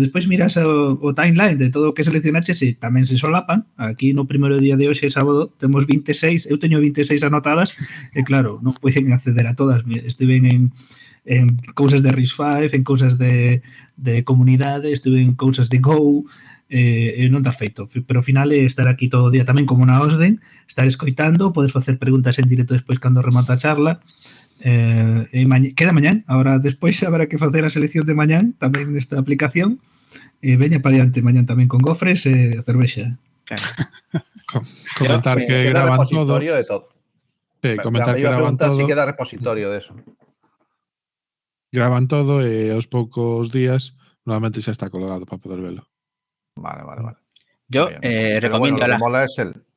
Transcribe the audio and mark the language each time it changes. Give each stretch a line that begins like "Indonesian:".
Spanish: Después miras o timeline de todo lo que seleccionaste, si también se solapan. Aquí, no primero día de hoy, el sábado, tenemos 26, yo tengo 26 anotadas, y claro, no pueden acceder a todas, estoy en cosas de RISC-V, en cosas de comunidades, estuve en cosas de Go,
Galician: non da feito. Pero ao final estar aquí todo o día tamén como na OSDEM, estar escoitando, podes facer preguntas en directo despois cando remata a charla. Queda mañán, agora despois habrá que facer a selección de mañán tamén nesta aplicación. Veña para diante mañán tamén con gofres e cervexa. Comentar que graban todo. De todo. Comentar que graban todo.
Spanish: Si queda repositorio de eso. Graban todo y aos pocos días nuevamente se está colgado para poder verlo. Vale. Yo recomiendo bueno, lo que mola es el...